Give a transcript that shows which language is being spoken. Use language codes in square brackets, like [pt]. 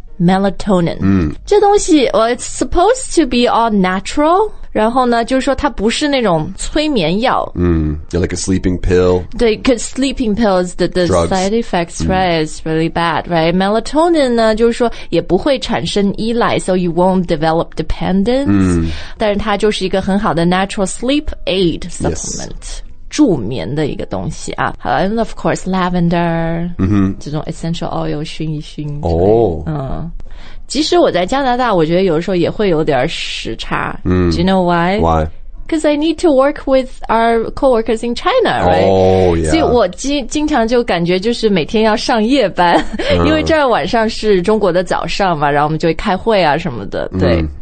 [en] Melatonin.、 [zh] 这东西 [en] well, it's supposed to be all natural, [zh] 然后呢就是说它不是那种催眠药。 [en] 嗯、like a sleeping pill. 对 because sleeping pills, the side effects, right, is really bad, right? [zh] Melatonin 呢就是说也不会产生依赖 [en] so you won't develop dependence.、嗯、 [zh] 但是它就是一个很好的 [en] natural sleep aid supplement.、 Yes. [zh] 助眠的一个东西啊 [en] And of course lavender、 mm-hmm. [zh] 这种 essential oil 熏一熏、 oh. 嗯、即使我在加拿大我觉得有的时候也会有点时差、 mm. [en] Do you know why? Why? Because I need to work with our co-workers in China, right? Oh, yeah. [zh] 所以我经常就感觉就是每天要上夜班、因为这儿晚上是中国的早上嘛然后我们就会开会啊什么的对、mm.